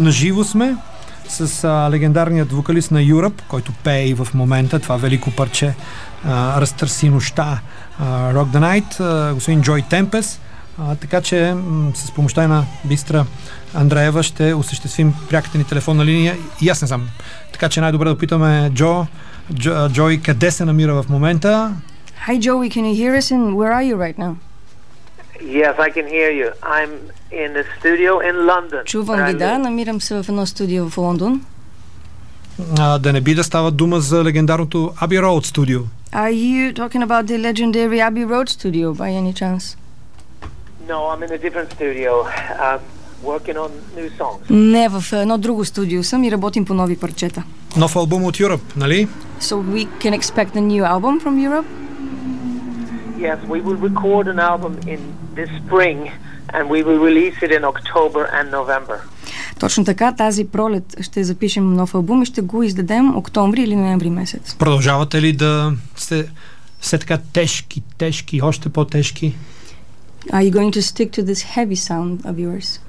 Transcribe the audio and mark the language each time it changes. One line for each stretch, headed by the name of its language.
Bulgarian: Наживо сме с легендарният вокалист на Europe, който пее и в момента това велико парче Разтърси нощта, Rock the Night, господин Joy Tempest. Така че с помощта на Бистра Андреева ще осъществим пряката ни телефонна линия. И аз не знам. Така че най-добре да питаме Джой, къде се намира в момента?
English: Hi Joey, can you hear us and where are you right now? Yes, I can hear you. I'm in a studio in London.
Bulgarian: Чувам ви, да, намирам се в едно студио в Лондон. Да не би да става дума за легендарното Abbey Road Studio.
English: Are you talking about the legendary Abbey Road Studio by any chance? No, I'm in a different studio. Working on new songs.
Bulgarian: Не, в едно друго студио съм и работим по нови парчета. Нов албум от Europe, нали?
English: So we can expect a new album from Europe? Yes, we will record an album in this spring and we will release it in October and November.
Bulgarian: Точно така, тази пролет ще запишем нов албум и ще го издадем октомври или ноември месец. Продължавате ли да сте все така тежки, тежки, още по-тежки?
English: Are you going to stick to this heavy sound of yours?